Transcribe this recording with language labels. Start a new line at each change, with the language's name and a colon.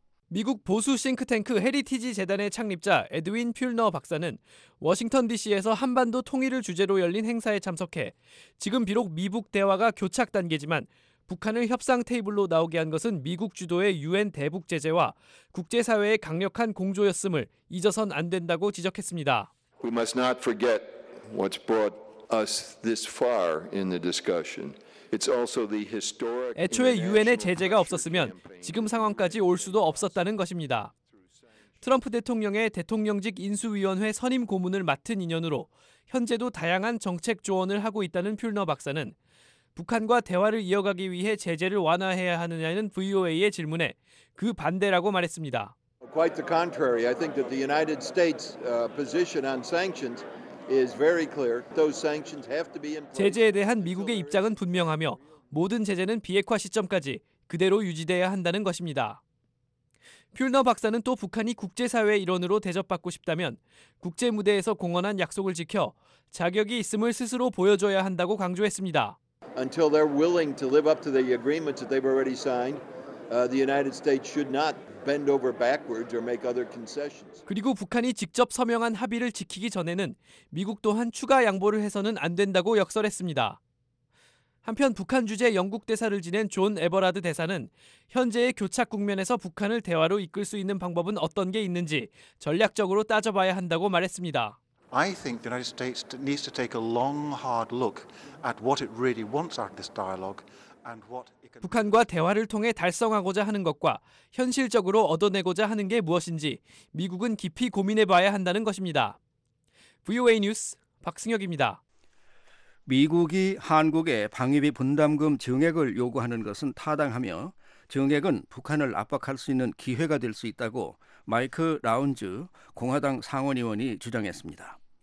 Korean: 미국 보수 싱크탱크 헤리티지 재단의 창립자 에드윈 퓰너 박사는 워싱턴 DC에서 한반도 통일을 주제로 열린 행사에 참석해 지금 비록 미북 대화가 교착 단계지만 북한을 협상 테이블로 나오게 한 것은 미국 주도의 유엔 대북 제재와 국제사회의 강력한 공조였음을 잊어선 안 된다고 지적했습니다.
English: We must not forget what's brought us this far in the discussion. It's also the historic
Korean: 애초에 유엔의 제재가 없었으면 지금 상황까지 올 수도 없었다는 것입니다. 트럼프 대통령의 대통령직 인수위원회 선임 고문을 맡은 인연으로 현재도 다양한 정책 조언을 하고 있다는 퓰너 박사는 북한과 대화를 이어가기 위해 제재를 완화해야 하느냐는 VOA의 질문에 그 반대라고 말했습니다.
English: Quite the contrary. I think that the United States position on sanctions is very clear. Those sanctions have to be in place.
Korean: 제재에 대한 미국의 입장은 분명하며 모든 제재는 비핵화 시점까지 그대로 유지돼야 한다는 것입니다. 퓰너 박사는 또 북한이 국제사회의 일원으로 대접받고 싶다면 국제 무대에서 공언한 약속을 지켜 자격이 있음을 스스로 보여줘야 한다고 강조했습니다.
English: Until they're willing to live up to the agreements that they've already signed, the United States should not bend over backwards or make other concessions.
Korean: 그리고 북한이 직접 서명한 합의를 지키기 전에는 미국 또한 추가 양보를 해서는 안 된다고 역설했습니다. 한편 북한 주재 영국 대사를 지낸 존 에버라드 대사는 현재의 교착 국면에서 북한을 대화로 이끌 수 있는 방법은 어떤 게 있는지 전략적으로 따져봐야 한다고 말했습니다.
English: I think the United States needs to take a long, hard look at what it really wants out of this dialogue and what it can.
Korean: 북한과 대화를 통해 달성하고자 하는 것과 현실적으로 얻어내고자 하는 게 무엇인지 미국은 깊이 고민해봐야 한다는 것입니다. VOA 뉴스 박승혁입니다. 미국이 한국에 방위비 분담금 증액을 요구하는 것은 타당하며 증액은 북한을 압박할 수 있는 기회가 될 수 있다고 마이크 라운즈 공화당 상원의원이 주장했습니다.